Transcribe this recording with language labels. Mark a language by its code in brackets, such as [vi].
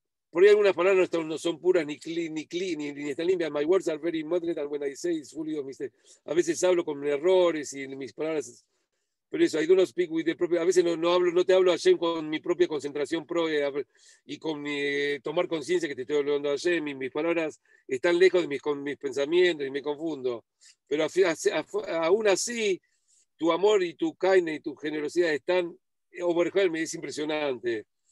[es] Por ahí algunas palabras no son puras, ni clean, ni están limpias. [en] My words are very muddled, and when I say it's fully of mistake. [es] A veces hablo con errores y mis palabras. Pero eso, [en] I do not speak with the [es] propio, a veces no te hablo a Hashem con mi propia concentración propia y con mi tomar conciencia que te estoy hablando a Hashem y mis palabras están lejos de mis pensamientos y me confundo. Pero aún así, tu amor y tu kindness y tu generosidad están overwhelming, es impresionante.